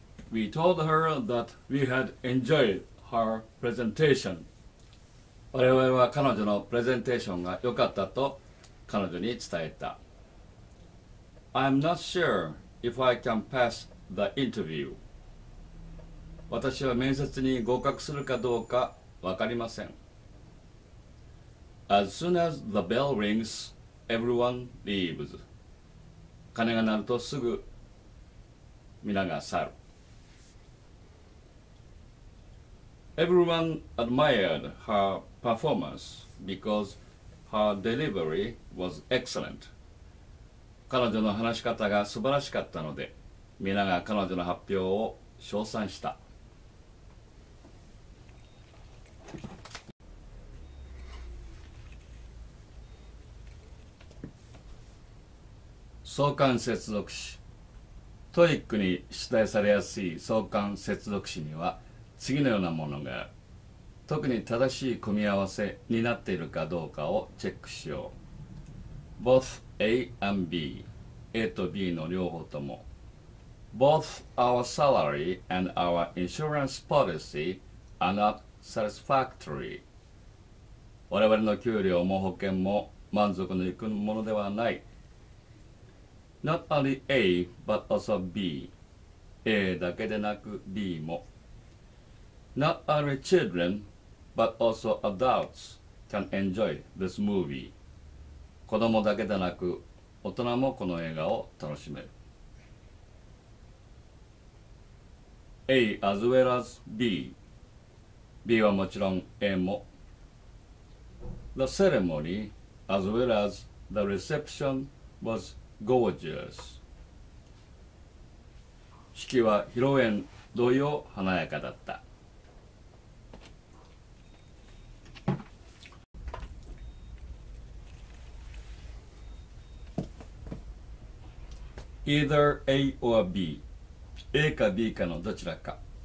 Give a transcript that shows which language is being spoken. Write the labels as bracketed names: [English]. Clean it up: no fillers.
[English] We told her that we had enjoyed her presentation. [Japanese] 我々は彼女のプレゼンテーションが良かったと彼女に伝えた。 [English] I'm not sure if I can pass the interview. [Japanese] 私は面接に合格するかどうか分かりません。 [English] As soon as the bell rings, everyone leaves. [Japanese] 鐘が鳴るとすぐ皆が去る。 [English] Everyone admired her performance because her delivery was excellent. [Japanese] 彼女の話し方が素晴らしかったので、皆が彼女の発表を称賛した。相関接続詞。トイックに出題されやすい相関接続詞には、次のようなものが、特に正しい組み合わせになっているかどうかをチェックしよう。 [English] Both A and B、 [Japanese] A と B の両方とも。 [English] Both our salary and our insurance policy are not satisfactory。 [Japanese] 我々の給料も保険も満足のいくものではない。 [English] Not only A, but also B。 [Japanese] A だけでなく B も。 [English] Not only children, but also adults can enjoy this movie. [Japanese] 子供だけでなく、大人もこの映画を楽しめる。 [English] A as well as B. [Japanese] B はもちろん A も。 [English] The ceremony as well as the reception was gorgeous. [Japanese] 式は披露宴同様華やかだった。 [English] Either A or B. [Japanese] A か B かのどちらか。